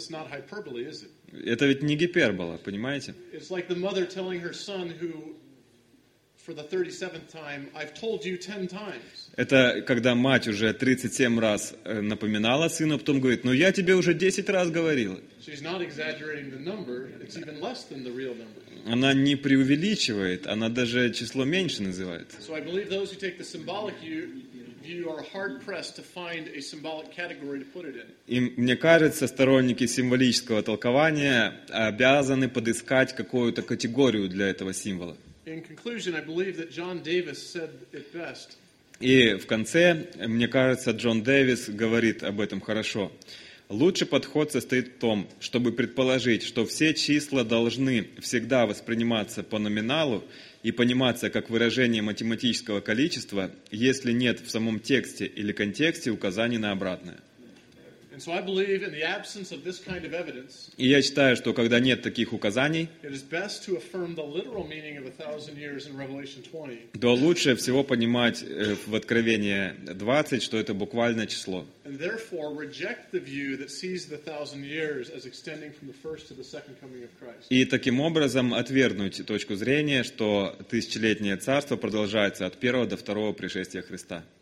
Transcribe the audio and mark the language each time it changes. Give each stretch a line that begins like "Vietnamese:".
Russian: Это ведь не гипербола, понимаете?
English: It's like the mother telling her son who for the 37th time, I've told you 10 times.
Russian: Это когда мать уже 37 раз напоминала сыну, а потом говорит, ну я тебе уже 10 раз говорила.
English: She's not exaggerating the number, it's even less than the real number.
Russian: Она не преувеличивает, она даже число меньше называет.
English: So I believe those who take the symbolic view are hard-pressed to find a symbolic category to put it in.
Russian: И мне кажется, сторонники символического толкования обязаны подыскать какую-то категорию для этого символа.
English: In conclusion, I believe that John Davis said it best.
Russian: И в конце, мне кажется, Джон Дэвис говорит об этом хорошо. Лучший подход состоит в том, чтобы предположить, что все числа должны всегда восприниматься по номиналу и пониматься как выражение математического количества, если нет в самом тексте или контексте указаний на обратное.
English: And so I believe in the absence of this kind of evidence.
Russian: И я считаю, что когда нет таких указаний,
English: it is best to affirm the literal meaning of 1000 years in Revelation 20.
Russian: То лучше всего понимать в Откровении 20, что это буквальное число.
English: And therefore reject the view that sees the 1000 years as extending from the first to the second coming of Christ.
Russian: И таким образом отвергнуть точку зрения, что тысячелетнее царство продолжается от первого до второго пришествия Христа.